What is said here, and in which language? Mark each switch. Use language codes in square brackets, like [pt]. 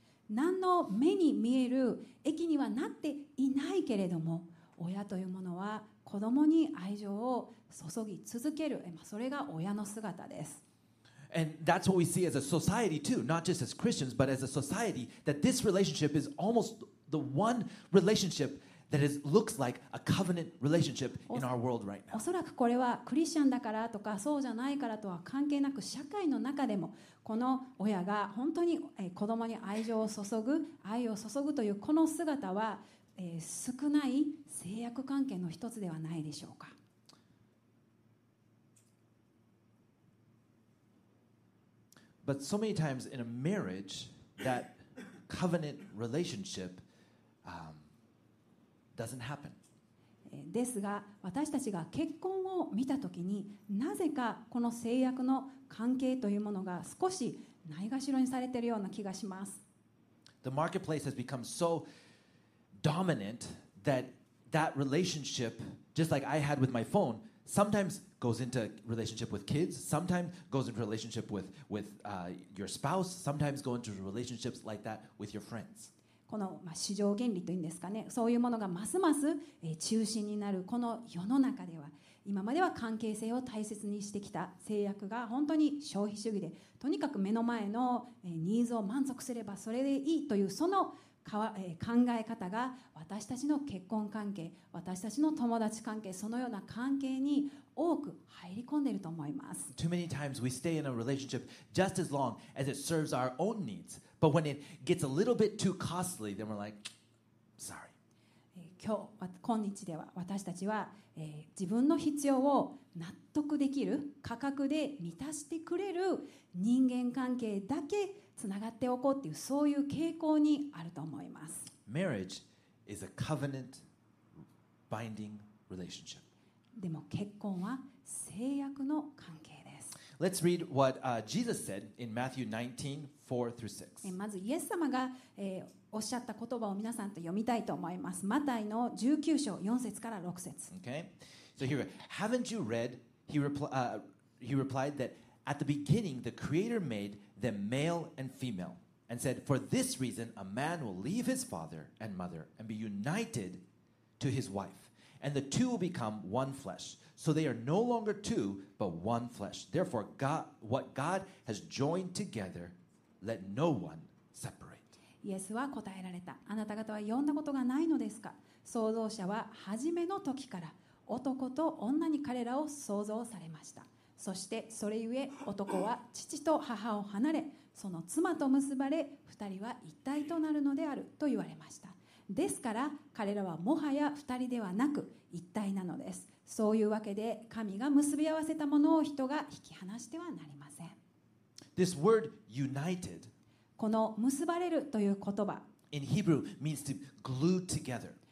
[ja] 何の目に見える益にはなっていないけれども親というものは子供に愛情を注ぎ続けるそれが親の姿です [en] And that's what we see as a society too not just as Christians but as a society that this relationship is almost the one relationship that is, looks like a covenant relationship in our world right now. [ja] おそらくこれはクリスチャンだからとかそうじゃないからとは関係なく社会の中でもこの親が本当に子供に愛情を注ぐ愛を注ぐというこの姿は少ない制約関係の一つではないでしょうか。 [en] But so many times in a marriage, that covenant relationship, doesn't happen. [ja] ですが、私たちが結婚を見たときに、なぜかこの制約の関係というものが少しないがしろにされているような気がします。 [en] The marketplace has become so dominant that that relationship, just like I had with my phone,Sometimes goes into relationship with kids. Sometimes goes into relationship with your spouse. Sometimes go into relationships like that with your friends. [ja] この市場原理というんですかね、そういうものがますます中心になるこの世の中では、今までは関係性を大切にしてきた制約が本当に消費主義で、とにかく目の前のニーズを満足すればそれでいいというその考え方が私たちの結婚関係、私たちの友達関係、そのような関係に多く入り込んでいると思います。 [en] Too many times we stay in a relationship just as long as it serves our own needs, but when it gets a little bit too costly, then we're like, sorry. [ja] 今日では私たちは自分の必要を納得できる価格で満たしてくれる人間関係だけ。つながっておこうっていうそういう傾向にあると思います。 [en] Marriage is a covenant binding relationship. [ja] でも結婚は契約の関係です。 [en] Let's read what Jesus said in Matthew 19:4-6. [ja] まずイエス様が、おっしゃった言葉を皆さんと読みたいと思います。マタイの19章4節から6節。 [en] Okay. So here, haven't you read? He replied that at the beginning the Creator made. Then male and female, and said, For this reason, a man will leave his father and mother and be united to his wife, and the two will become one flesh. So they are no longer two, but one flesh. Therefore, what God has joined together, let no one separate. [ja] イエスは答えられた。あなた方は呼んだことがないのですか？創造者は初めの時から男と女に彼らを創造されました。そしてそれゆえ男は父と母を離れその妻と結ばれ二人は一体となるのであると言われました。ですから彼らはもはや二人ではなく一体なのです。そういうわけで神が結び合わせたものを人が引き離してはなりません。 [en] This word united [ja] この結ばれるという言葉 [en] in Hebrew means to glue together。